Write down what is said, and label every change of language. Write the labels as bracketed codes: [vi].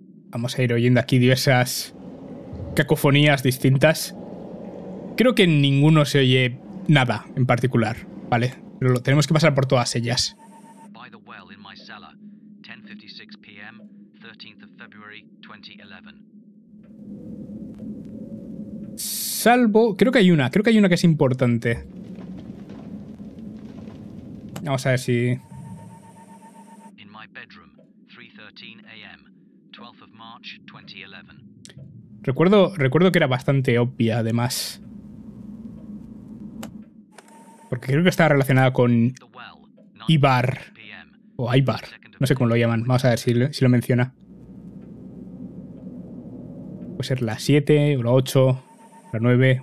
[es] Vamos a ir oyendo aquí diversas cacofonías distintas. Creo que ninguno se oye nada en particular, ¿vale? Pero lo tenemos que pasar por todas ellas. [en] By the well in my cellar, 10:56 p.m., 13th of February, 2011. [es] Salvo, creo que hay una que es importante. Vamos a ver si... [en] In my bedroom, 3:13 a.m., 12th of March, 2011. [es] Recuerdo que era bastante obvia, además. Porque creo que estaba relacionada con Ibar. O Ibar. No sé cómo lo llaman. Vamos a ver si lo menciona. Puede ser la 7, o la 8, la 9.